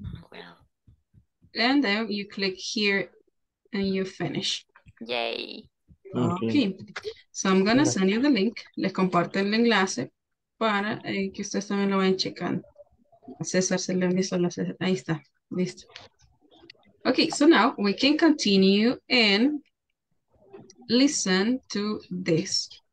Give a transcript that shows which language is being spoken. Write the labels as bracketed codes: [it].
[en] Well. And then you click here and you finish. Yay. Okay. So I'm going to send you the link. [es] Les comparto el enlace para que ustedes también lo vayan checando. César se lo envió solo a César. Ahí está. Listo. [en] Okay, so now we can continue and listen to this.